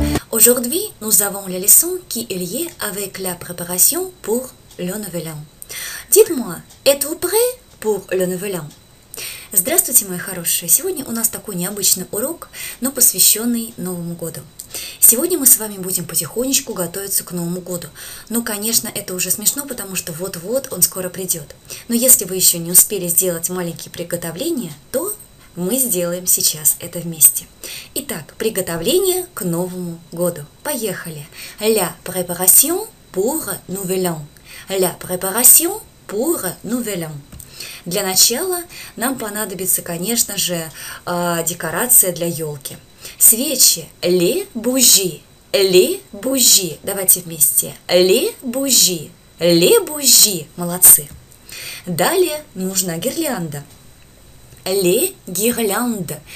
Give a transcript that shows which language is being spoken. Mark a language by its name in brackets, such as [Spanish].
[French] Aujourd'hui, nous avons la leçon qui est liée avec la préparation pour le nouvel an. Dites-moi, êtes-vous prêt pour le nouvel an? [Russian] Здравствуйте, мои хорошие! Сегодня у нас такой необычный урок, но посвященный Новому году. Сегодня мы с вами будем потихонечку готовиться к Новому году. Ну, конечно, это уже смешно, потому что вот-вот он скоро придет. Но если вы еще не успели сделать маленькие приготовления, то мы сделаем сейчас это вместе. Итак, приготовление к Новому году. Поехали! [French] La préparation pour Nouvel An. La préparation pour Nouvel An. [Russian] Для начала нам понадобится, конечно же, декорация для елки. Свечи. [French] Les bougies. Les bougies. [Russian] Давайте вместе. [French] Les bougies. Les bougies. [Russian] Молодцы. Далее нужна гирлянда. [French] Les guirlandes.